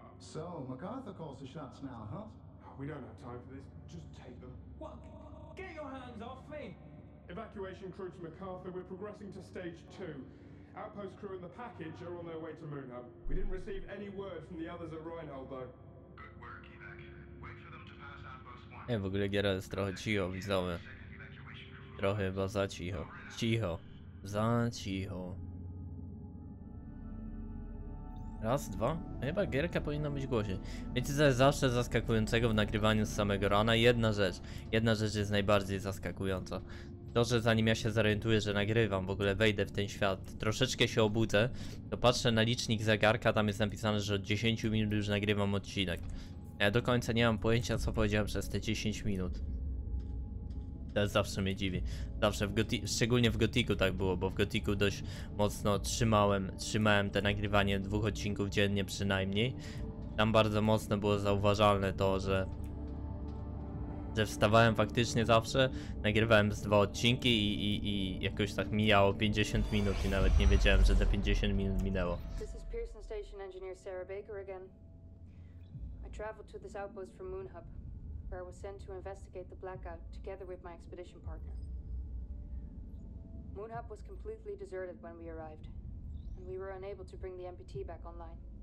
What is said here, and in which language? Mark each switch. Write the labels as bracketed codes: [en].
[en] So, MacArthur calls the shots now, huh? We don't have time for this. Just take them. What? Get your hands off me! Evacuation crew to MacArthur, we're progressing to stage two. Outpost crew and the package are on their way to Moon Hub. We didn't receive any word from the others at Reinhold, though. [pl] Nie, w ogóle Gera jest trochę cicho, widzowie. Trochę chyba za cicho. Cicho. Za cicho. Raz, dwa. Chyba Gierka powinna być głośniej. Wiecie, co jest zawsze zaskakującego w nagrywaniu z samego rana? Jedna rzecz. Jedna rzecz jest najbardziej zaskakująca. To, że zanim ja się zorientuję, że nagrywam, w ogóle wejdę w ten świat, troszeczkę się obudzę, to patrzę na licznik zegarka, tam jest napisane, że od 10 minut już nagrywam odcinek. Ja do końca nie mam pojęcia, co powiedziałem przez te 10 minut. To zawsze mnie dziwi. Zawsze, szczególnie w Gotiku tak było, bo w Gotiku dość mocno trzymałem te nagrywanie dwóch odcinków dziennie przynajmniej. Tam bardzo mocno było zauważalne to, że wstawałem faktycznie zawsze, nagrywałem z dwa odcinki i jakoś tak mijało 50 minut i nawet nie wiedziałem, że te 50 minut minęło. [en] This is Pearson Station Engineer Sarah Baker again. Traveled to this outpost from Moon Hub, where I was sent to investigate the blackout together with my expedition partner. Moon Hub was completely deserted when we arrived, and we were unable to bring the MPT back online.